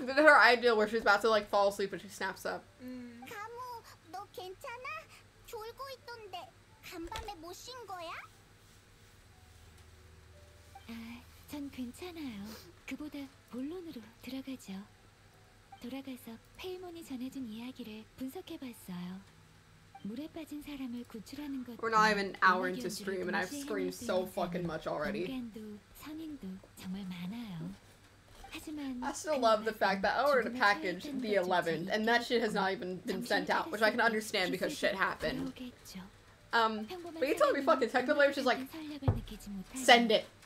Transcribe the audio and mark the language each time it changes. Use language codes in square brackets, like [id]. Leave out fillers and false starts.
[en] Look at her eye view where she's about to like fall asleep and she snaps up. [ko] 가무, 너 괜찮아? 졸고 있던데 간밤에 못 쉰 거야? 전 괜찮아요. 그보다 본론으로 들어가죠. 돌아가서 페이몬이 전해준 이야기를 분석해봤어요. 물에 빠진 사람을 구출하는 것. [en] We're not even an hour into stream and I've screamed so fucking much already. [ko] 인간도 성인도 정말 많아요. 하지만 [en] I still love the fact that I ordered a package the 11th and that shit has not even been sent out, which I can understand because shit happened. But you're telling me fucking tech delay, which is like, send it.